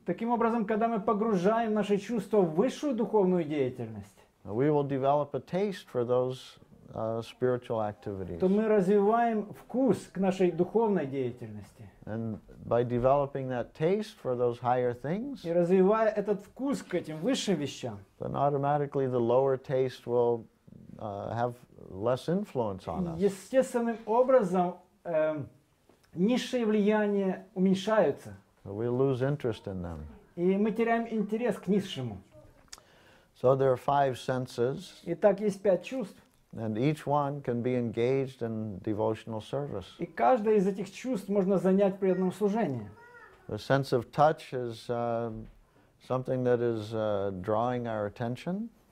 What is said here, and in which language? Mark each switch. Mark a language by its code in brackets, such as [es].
[ru] таким образом, когда мы погружаем наши чувства в высшую духовную деятельность, [en] we will develop a taste for those spiritual activities. [ru] То мы развиваем вкус к нашей духовной деятельности. [en] And by developing that taste for those higher things, [ru] и развивая этот вкус к этим высшим вещам, [en] then automatically the lower taste will have less influence on us. [ru] Естественным образом низшие влияния уменьшаются. [en] We lose interest in them. [ru] И мы теряем интерес к низшему. [en] So there are five senses. [ru] Итак, есть пять чувств. [en] And each one can be engaged in devotional service. [ru] И каждое из этих чувств можно занять преданном служении. [en] The sense of touch is something that is drawing our attention.